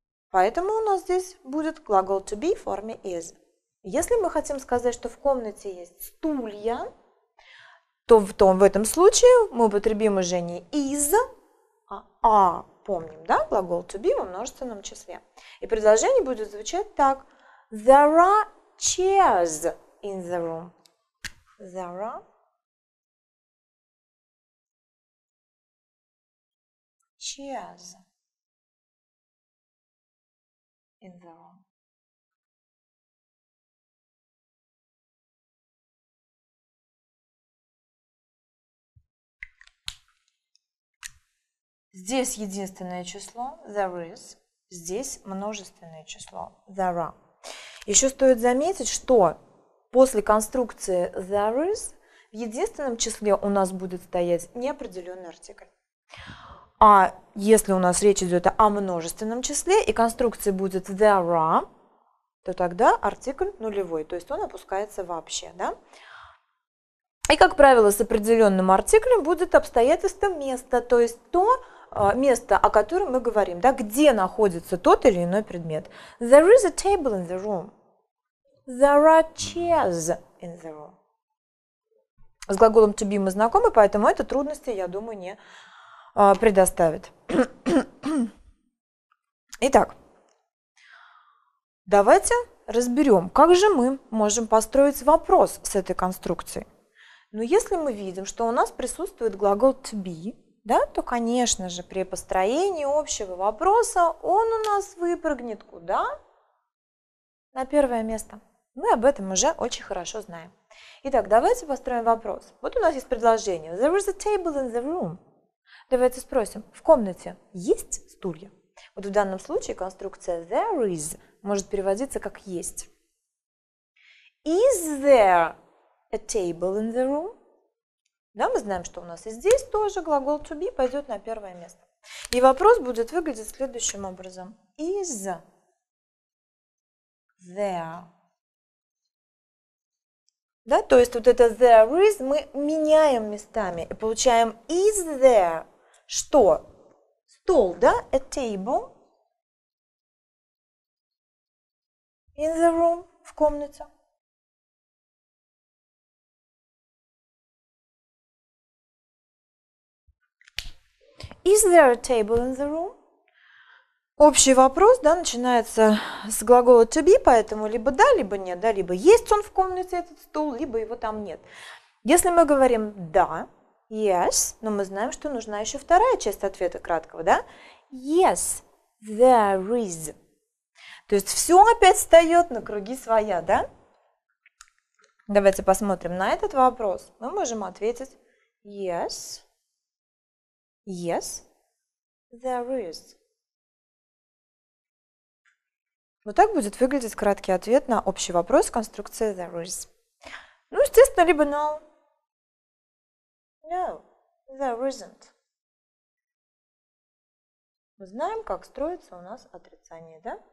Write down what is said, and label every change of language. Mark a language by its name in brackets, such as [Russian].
[Russian] Поэтому у нас здесь будет глагол to be в форме is. Если мы хотим сказать, что в комнате есть стулья, то в этом случае мы употребим уже не is, а are. Помним, да, глагол to be во множественном числе. И предложение будет звучать так. [English] There are chairs in the room. There are chairs in the room. [Russian] Здесь единственное число [English] there is, [Russian] здесь множественное число [English] there are. [Russian] Еще стоит заметить, что после конструкции [English] there is [Russian] в единственном числе у нас будет стоять неопределенный артикль. А если у нас речь идет о множественном числе и конструкция будет [English] there are, [Russian] то тогда артикль нулевой, то есть он опускается вообще. Да? И, как правило, с определенным артиклем будет обстоятельство места, то есть то место, о котором мы говорим, да, где находится тот или иной предмет. [English] There is a table in the room. There are chairs in the room. [Russian] С глаголом to be мы знакомы, поэтому это трудности, я думаю, не предоставит. Итак, давайте разберем, как же мы можем построить вопрос с этой конструкцией. Но если мы видим, что у нас присутствует глагол to be, да, то, конечно же, при построении общего вопроса он у нас выпрыгнет куда? На первое место. Мы об этом уже очень хорошо знаем. Итак, давайте построим вопрос. Вот у нас есть предложение. [English] There is a table in the room. [Russian] Давайте спросим, в комнате есть стулья? Вот в данном случае конструкция [English] there is [Russian] может переводиться как есть. [English] Is there a table in the room? [Russian] Да, мы знаем, что у нас и здесь тоже глагол to be пойдет на первое место. И вопрос будет выглядеть следующим образом. [English] Is there? [Russian] Да, то есть вот это [English] there is [Russian] мы меняем местами и получаем [English] is there [Russian] что? Стол, да? [English] A table in the room, [Russian] в комнате. [English] Is there a table in the room? [Russian] Общий вопрос, да, начинается с глагола to be, поэтому либо да, либо нет, да, либо есть он в комнате, этот стул, либо его там нет. Если мы говорим да, yes, но мы знаем, что нужна еще вторая часть ответа краткого, да? [English] Yes, there is. [Russian] То есть все опять встает на круги своя, да? Давайте посмотрим на этот вопрос. Мы можем ответить [English] yes, yes, there is. [Russian] Вот так будет выглядеть краткий ответ на общий вопрос конструкции [English] there is. [Russian] Ну, естественно, либо no. [English] No, there isn't. [Russian] Мы знаем, как строится у нас отрицание, да?